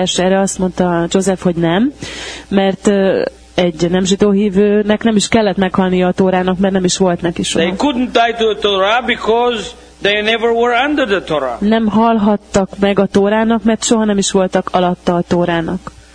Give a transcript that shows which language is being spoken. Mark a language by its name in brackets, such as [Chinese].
[Hungarian] És erre azt mondta Joseph, hogy nem, mert egy nem zsidó hívőnek nem is kellett meghalnia a Tórának, mert nem is volt neki soha. [English] They couldn't die to the Torah because they never were under the Torah. [Hungarian] Nem halhattak meg a Tórának, mert soha nem is voltak alatta a Tórának.